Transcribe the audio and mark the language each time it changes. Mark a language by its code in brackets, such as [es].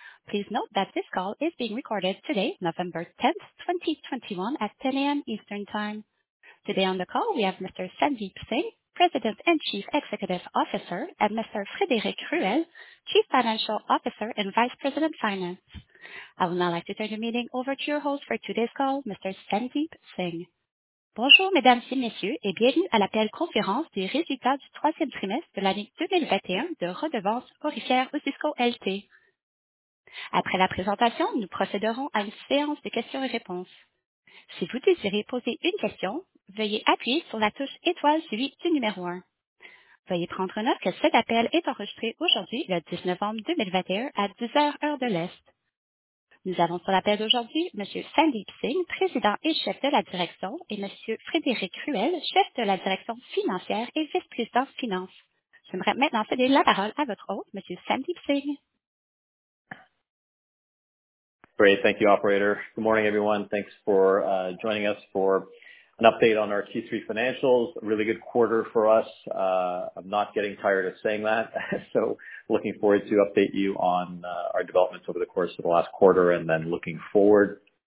[en] Please note that this call is being recorded today, November 10th, 2021 at 10 A.M. Eastern Time. Today on the call, we have Mr. Sandeep Singh, President and Chief Executive Officer, and Mr. Frédéric Ruel, Chief Financial Officer and Vice President, Finance. I would now like to turn the meeting over to your host for today's call, Mr. Sandeep Singh. [fr] Bonjour, mesdames et messieurs, et bienvenue à l'appel conférence des résultats du troisième trimestre de l'année 2021 de Redevances Aurifières Osisko LT. Après la présentation, nous procéderons à une séance de questions-réponses. Si vous désirez poser une question, veuillez appuyer sur la touche étoile suivie du numéro un. Veuillez prendre note que cet appel est enregistré aujourd'hui, le 19 novembre 2021, à 10:00 heure de l'Est. Nous avons sur l'appel d'aujourd'hui Monsieur Sandeep Singh, Président et Chef de la Direction, et Monsieur Frédéric Ruel, Chef de la Direction Financière et Vice-Président Finance. J'aimerais maintenant céder la parole à votre hôte, Monsieur Sandeep Singh. [en] Great. Thank you, operator. Good morning, everyone. Thanks for joining us for an update on our Q3 financials. A really good quarter for us. I'm not getting tired of saying that. Looking forward to update you on our developments over the course of the last quarter and then looking forward.